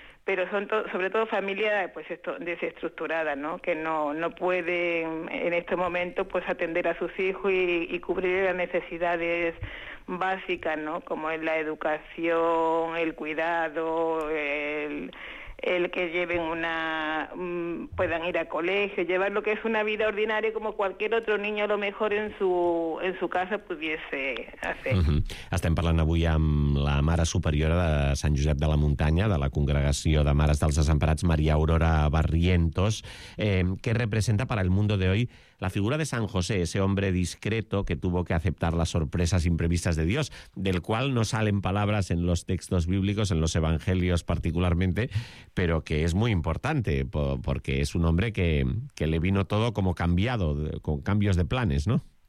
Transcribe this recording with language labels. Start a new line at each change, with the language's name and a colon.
Spanish: pero son sobre todo familias pues desestructuradas, ¿no?, que no pueden en este momento pues atender a sus hijos y cubrir las necesidades básicas, ¿no?, como es la educación, el cuidado, el que lleven una, puedan ir a colegio, llevar lo que es una vida ordinaria como cualquier otro niño a lo mejor en su casa pudiese hacer.
Catalan: Estem parlant avui amb la mare superiora de Sant Josep de la Muntanya, de la Congregació de Mares dels Desemparats, Maria Aurora Barrientos. Què representa
Spanish: para el mundo de hoy la figura de San José, ese hombre discreto que tuvo que aceptar las sorpresas imprevistas de Dios, del cual no salen palabras en los textos bíblicos, en los evangelios particularmente, pero que es muy importante, porque es un hombre que le vino todo como cambiado, con cambios de planes, ¿no?